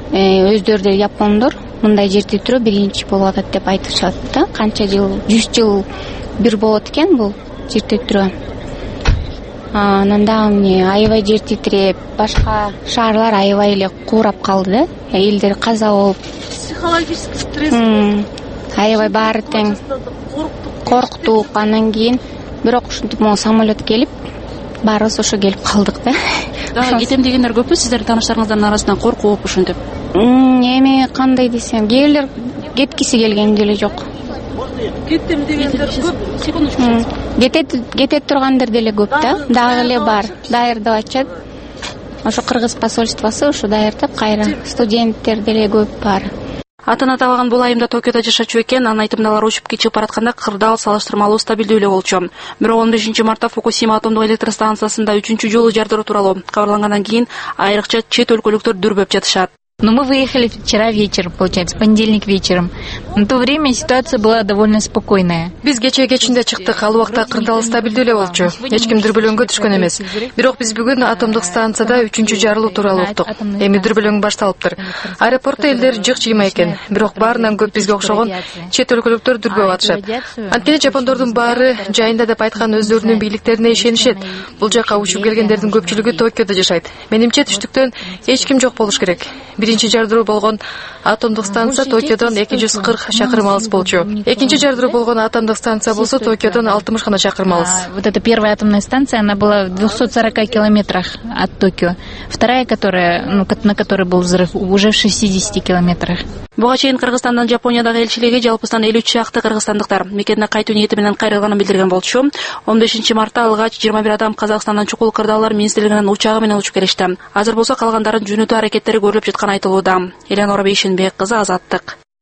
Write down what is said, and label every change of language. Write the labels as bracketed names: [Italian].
[Kyrgyz] Өздөрү да япондор. Мындай жер титирөө биринчи болуп атат деп айтышат да. Канча жыл? 100 жыл бир болот экен бул жер титирөө. Анан да эмне аябай жер титиреп, башка шаарлар аябай эле куурап калды да. Элдер каза болуп, [Russian] психологический стресс. [Kyrgyz] Аябай баары тең корктук, анан кийин бирок ушинтип [Russian] могу [Kyrgyz] самолет келип, баарыбыз ошо келип калдык да. Да, кетем дегендер көппү сиздердин тааныштарыңыздардын арасынан коркуп ушинтип? Эми кандай десем, кээлер кеткиси келген деле жок. Кетем дегендер көп. Кетет тургандар деле көп да. Дагы эле бар. Даярдап атышат. Ошо кыргыз посольствосу ошо даярдап кайра. Студенттер деле көп бар. Атын аталган бул айымда Токиодо жашачу экен, анын айтымында алар учуп кечип баратканда кырдаал салыштырмалуу стабилдүү эле болчу. Бирок 15 мартта Фукусима атомдук электр станциясында 3-жү жолу жардыруу тууралуу кабарлангандан кийин айрыкча чет өлкөлүктөр дүрбөп жатышат. [Russian] Но мы выехали вчера вечером, получается, понедельник вечером. На то время ситуация была довольно спокойная. [Kyrgyz] Биз кечээ кечинде чыктык, ал убакта кырдаал стабилдүү эле болчу. Эч ким дүрбөлөңгө түшкөн эмес. Бирок биз бүгүн атомдук станцияда 3-жү жарылуу тууралуу уктук. Эми дүрбөлөң башталыптыр. Аэропортто элдер жык жыйма экен. Бирок баарынан көп бизге окшогон чет өлкөлүктөр дүрбөп атышат. Анткени жапондордун баары жайында деп айткан өздөрүнүн бийликтерине ишенишет. Бул жакка учуп келгендердин көпчүлүгү Токиодо жашайт. Менимче түштүктөн эч ким жок болуш керек. Биринчи жардыруу болгон атомдук станция Токиодон 240 чакырым алыс болчу. Экинчи жардыруу болгон атомдук станция болсо Токиодон 60 гана чакырым алыс. [Russian] Вот эта первая атомная станция, она была в 240 километрах от Токио. Вторая, на которой был взрыв, уже в 60 километрах. [Kyrgyz] Буга чейин Кыргызстандан Жапониядагы элчилиги жалпысынан 53 шакты кыргызстандыктар мекенине кайтуу ниети менен кайрылганын билдирген болчу. 15 мартта алгач 21 адам Казакстандан чукул кырдаалар министрлигинин учагы менен учуп келишти. Азыр болсо калгандарын жөнөтүү аракеттери көрүлүп жаткан айтылууда. Эленора Бейшенбек кызы Азаттык.